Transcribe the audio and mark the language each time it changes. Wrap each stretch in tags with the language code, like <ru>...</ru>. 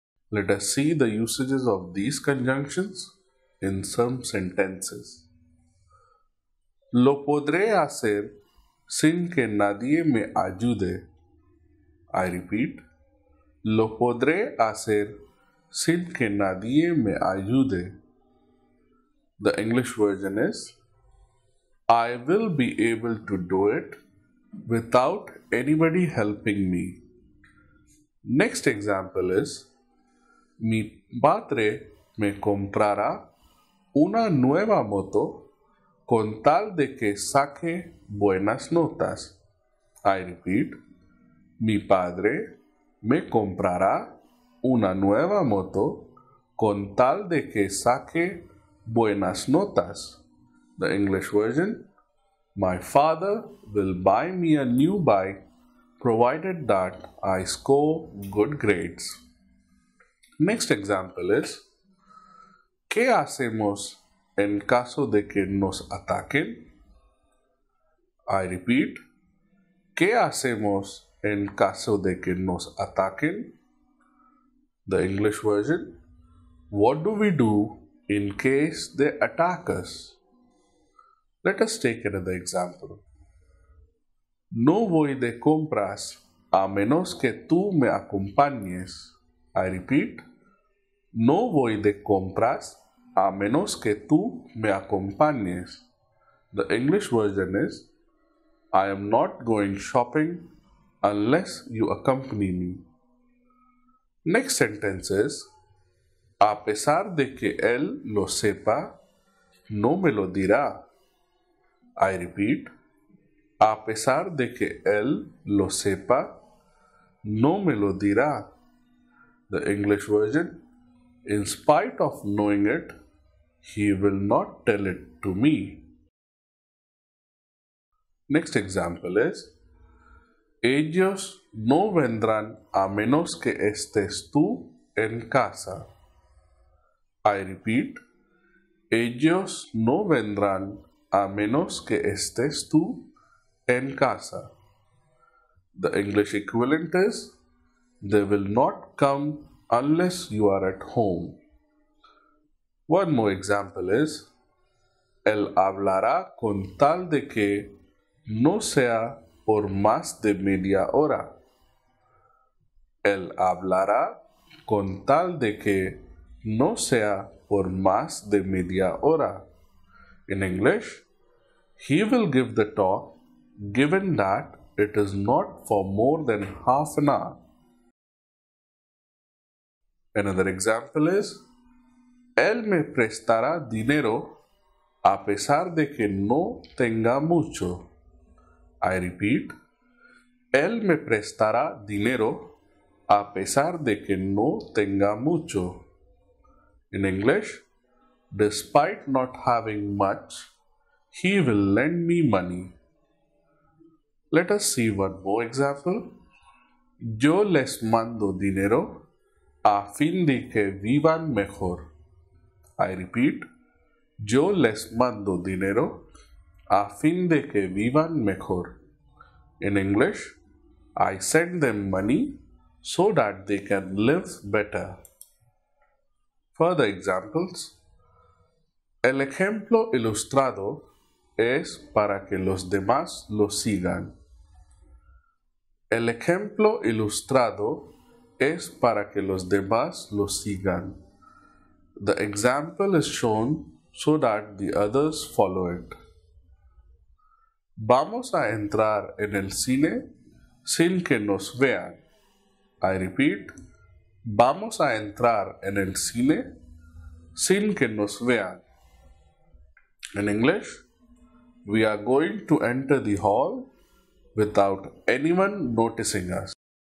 <en>Let us see the usages of these conjunctions in some sentences.</en> <es>Lo podré hacer sin que nadie me ayude.</es> <en>I repeat.</en> <es>Lo podré hacer sin que nadie me ayude.</es> <en>The English version is, I will be able to do it without anybody helping me. Next example is,</en> <es>mi padre me comprará una nueva moto con tal de que saque buenas notas.</es> <en>I repeat,</en> <es>mi padre me comprará una nueva moto con tal de que saque buenas notas.</es> <en>The English version, my father will buy me a new bike provided that I score good grades. Next example is,</en> <es>¿qué hacemos en caso de que nos ataquen?</es> <en>I repeat,</en> <es>¿qué hacemos en caso de que nos ataquen?</es> <en>The English version, what do we do in case they attack us? Let us take another example.</en> <es>No voy de compras a menos que tú me acompañes.</es> <en>I repeat,</en> <es>no voy de compras a menos que tú me acompañes.</es> <en>The English version is, I am not going shopping unless you accompany me. Next sentence is,</en> <es>a pesar de que él lo sepa, no me lo dirá.</es> <en>I repeat,</en> <es>a pesar de que él lo sepa, no me lo dirá.</es> <en>The English version, in spite of knowing it, he will not tell it to me. Next example is,</en> <es>ellos no vendrán a menos que estés tú en casa.</es> <en>I repeat,</en> <es>ellos no vendrán a menos que estés tú en casa.</es> <en>The English equivalent is, they will not come unless you are at home. One more example is,</en> <es>él hablará con tal de que no sea por más de media hora. Él hablará con tal de que no sea por más de media hora.</es> <en>In English, he will give the talk given that it is not for more than half an hour. Another example is,</en> <es>él me prestará dinero a pesar de que no tenga mucho.</es> <en>I repeat,</en> <es>él me prestará dinero a pesar de que no tenga mucho.</es> <en>In English, despite not having much, he will lend me money. Let us see one more example.</en> <es>Yo les mando dinero a fin de que vivan mejor.</es> <en>I repeat,</en> <es>yo les mando dinero a fin de que vivan mejor.</es> <en>In English, I send them money so that they can live better. Further examples.</en> <es>El ejemplo ilustrado es para que los demás lo sigan. El ejemplo ilustrado es para que los demás lo sigan.</es> <en>The example is shown so that the others follow it.</en> <es>Vamos a entrar en el cine sin que nos vean.</es> <en>I repeat,</en> <es>vamos a entrar en el cine sin que nos vean.</es> <en>In English, we are going to enter the hall without anyone noticing us.</en>